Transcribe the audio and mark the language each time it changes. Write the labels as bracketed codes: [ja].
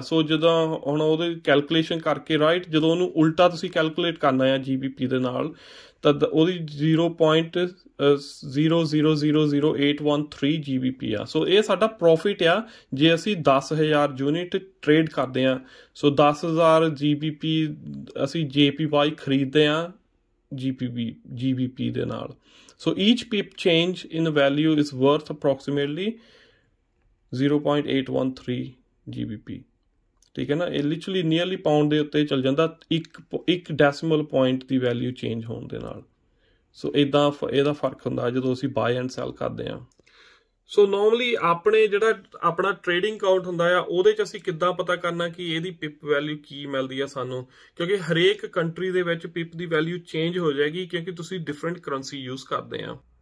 [pa] ਸੋ ਜਦੋਂ ਹੁਣ ਉਹਦੇ ਕੈਲਕੂਲੇਸ਼ਨ ਕਰਕੇ, ਰਾਈਟ, ਜਦੋਂ ਉਹਨੂੰ ਉਲਟਾ ਤੁਸੀਂ ਕੈਲਕੂਲੇਟ ਕਰਨਾ ਆ GBP ਦੇ ਨਾਲ, ਤਦ ਉਹਦੀ 0.00008 13 GBP ਆ। ਸੋ ਇਹ ਸਾਡਾ ਪ੍ਰੋਫਿਟ ਆ ਜੇ ਅਸੀਂ 10,000 ਯੂਨਿਟ ਟ੍ਰੇਡ ਕਰਦੇ ਹਾਂ। ਸੋ 10,000 GBP ਅਸੀਂ JPY ਖਰੀਦਦੇ ਹਾਂ GBP ਦੇ ਨਾਲ। [en] So each pip change in the value is worth approximately 0.813 GBP. [hi] ठीक है ना, ये [pa] literally nearly pound ਦੇ ਉੱਤੇ ਚਲ ਜਾਂਦਾ ਇੱਕ decimal point ਦੀ value change ਹੋਣ ਦੇ ਨਾਲ. So ਇਦਾਂ ਇਹਦਾ ਫਰਕ ਹੁੰਦਾ ਜਦੋਂ ਅਸੀਂ [en] buy and sell [pa] ਕਰਦੇ ਹਾਂ. So normally ਆਪਣੇ ਜਿਹੜਾ ਆਪਣਾ trading account ਹੁੰਦਾ ਆ ਉਹਦੇ 'ਚ ਅਸੀਂ ਕਿੱਦਾਂ ਪਤਾ ਕਰਨਾ ਕਿ ਇਹਦੀ pip value ਕੀ ਮਿਲਦੀ ਆ ਸਾਨੂੰ, ਕਿਉਂਕਿ ਹਰੇਕ ਕੰਟਰੀ ਦੇ ਵਿੱਚ pip ਦੀ value change ਹੋ ਜਾਏਗੀ ਕਿਉਂਕਿ ਤੁਸੀਂ different currency use ਕਰਦੇ ਆ.